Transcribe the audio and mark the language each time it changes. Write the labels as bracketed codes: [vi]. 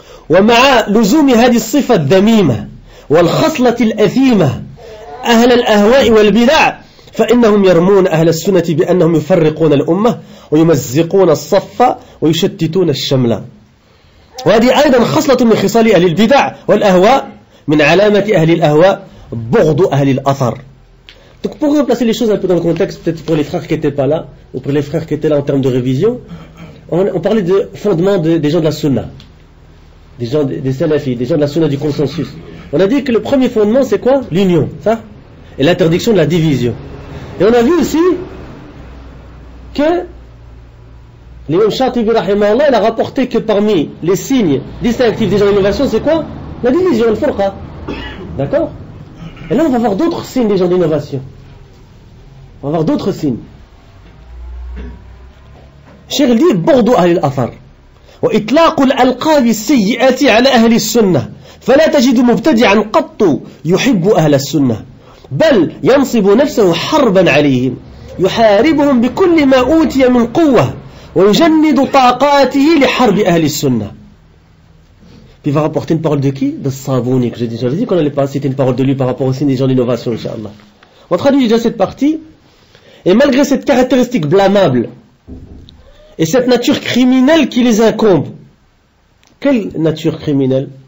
[ar] ومع لزوم هذه الصفة الذميمة والخصلة الأثيمة أهل الأهواء والبدع، فإنهم يرمون أهل السنة بأنهم يفرقون الأمة ويمزقون الصف ويشتتون الشملة. وهذه أيضا خصلة من خصال أهل البدع والأهواء، من علامة أهل الأهواء بغض أهل الأثر. [fr] Donc pour replacer les choses un peu dans le contexte, peut-être pour les frères qui n'étaient pas là, ou pour les frères qui étaient là en termes de révision, on parlait de fondement des gens de la sunna, des gens des salafis, des gens de la sunna du consensus. On a dit que le premier fondement c'est quoi? L'union, ça? Et l'interdiction de la division. Et on a vu aussi que l'imam Shatibi rahimahullah, il a rapporté que parmi les signes distinctifs des gens d'innovation, c'est quoi? La division, le furqa. D'accord? Et là, on va voir d'autres signes des gens d'innovation. On va voir d'autres signes. Cheikh dit [ar] Bordo Ahl al-Athar. Wa itlaqu al-alqab as-sayyi'ati 'ala ahli as-sunnah. Fala tajidu mubtadi'an qattu yuhibbu ahli as-sunnah. بل ينصب نفسه حربا عليهم، يحاربهم بكل ما أوتي من قوة، ويجند طاقاته لحرب أهل السنة. [fr] Puis il va rapporter une parole de qui? De Savouni, que j'ai dit qu'on allait pas citer une parole de lui par rapport au signe des gens d'innovation, inshallah. On traduit déjà cette partie. Et malgré cette caractéristique blâmable et cette nature criminelle qui les incombe, quelle nature criminelle?